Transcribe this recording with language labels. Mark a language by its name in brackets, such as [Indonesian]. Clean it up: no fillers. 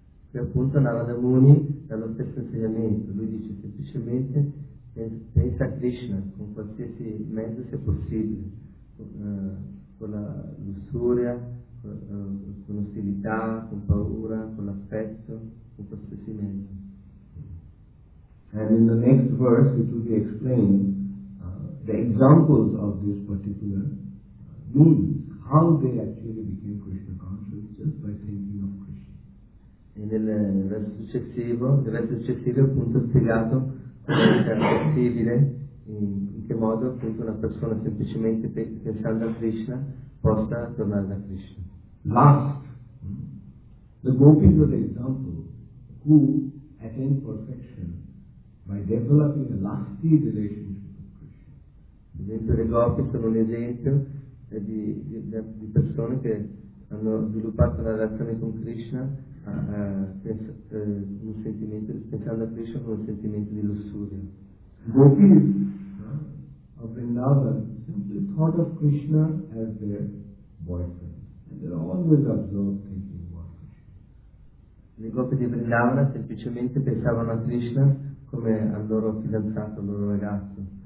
[Italian] Qui appunto Narada Muni dà lo stesso insegnamento. Lui dice semplicemente, pensa a Krishna con qualsiasi mezzo sia possibile, con la lussuria, con ostilità, con paura, con l'affetto, con qualsiasi mezzo. [English] And in the next verse it will be explained the examples of this particular means, how they actually became Krishna conscious just by thinking of Krishna. [Italian] E nel verso successivo, appunto spiegato è possibile in che modo appunto una persona semplicemente pensando a Krishna possa tornare da Krishna. [English] Lust. The gopis are the example who attain perfection by developing a lusty relationship with Krishna. [Italian] Le gopis sono un esempio di persone che hanno sviluppato una relazione con Krishna pensando a Krishna con un sentimento di lussuria. [English] Gopis of Vrindavan simply thought of Krishna as their boyfriend, and they're always absorbed thinking about Krishna. [Italian] Le gopi di Vrindavan semplicemente pensavano a Krishna come al loro fidanzato, al loro ragazzo.